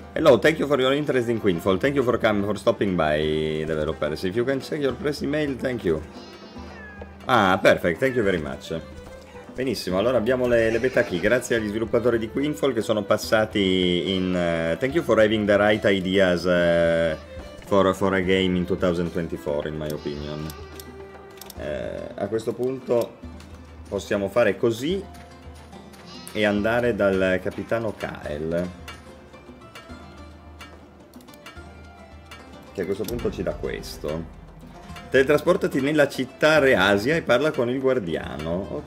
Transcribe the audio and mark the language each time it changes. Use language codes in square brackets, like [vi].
[en] Hello, thank you for your interest in Queenfall. Thank you for stopping by, developers. If you can check your press email, thank you. Ah, perfect, thank you very much. [it] Benissimo, allora abbiamo le beta key. Grazie agli sviluppatori di Queenfall che sono passati in... [en] thank you for having the right ideas for a game in 2024, in my opinion. [it] A questo punto possiamo fare così e andare dal capitano Kyle, che a questo punto ci dà questo. Teletrasportati nella città Reasia e parla con il guardiano.